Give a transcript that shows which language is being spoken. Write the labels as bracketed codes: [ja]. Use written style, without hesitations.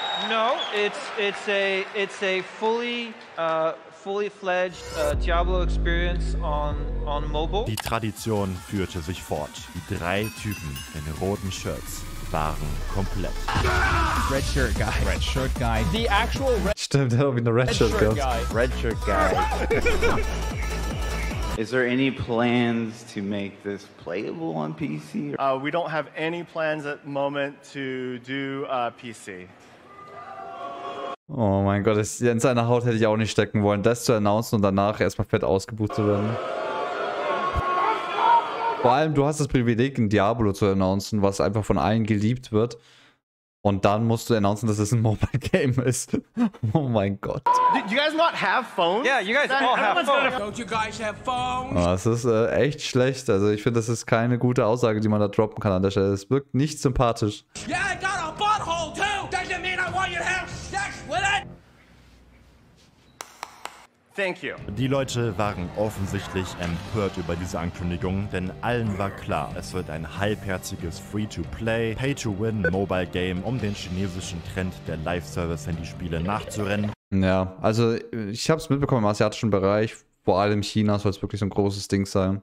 [en] No, it's a fully fledged Diablo experience on mobile. [de] Die Tradition führte sich fort. Die drei Typen in roten Shirts waren komplett. [en] Red shirt guy. Red shirt guy. The actual red. [de] Stimmt, der hat wie eine [en] red shirt guy. Red shirt guy. Is there any plans to make this playable on PC? We don't have any plans at the moment to do PC. [de] Oh mein Gott, das in seiner Haut hätte ich auch nicht stecken wollen, das zu announcen und danach erstmal fett ausgebucht zu werden. Vor allem, du hast das Privileg, ein Diablo zu announcen, was einfach von allen geliebt wird. Und dann musst du announcen, dass es ein Mobile Game ist. Oh mein Gott. [en] Do you guys not have phones? Yeah, you guys all have phones. Don't you guys have phones? [de] Das ist echt schlecht. Also ich finde, das ist keine gute Aussage, die man da droppen kann an der Stelle. Es wirkt nicht sympathisch. [en] Yeah, I got a butthole too. Doesn't mean I want you to have sex with it. Thank you. [de] Die Leute waren offensichtlich empört über diese Ankündigung, denn allen war klar, es wird ein halbherziges Free-to-Play, Pay-to-Win-Mobile-Game, um den chinesischen Trend der Live-Service-Handyspiele nachzurennen. Ja, also ich habe es mitbekommen im asiatischen Bereich, vor allem China soll es wirklich so ein großes Ding sein.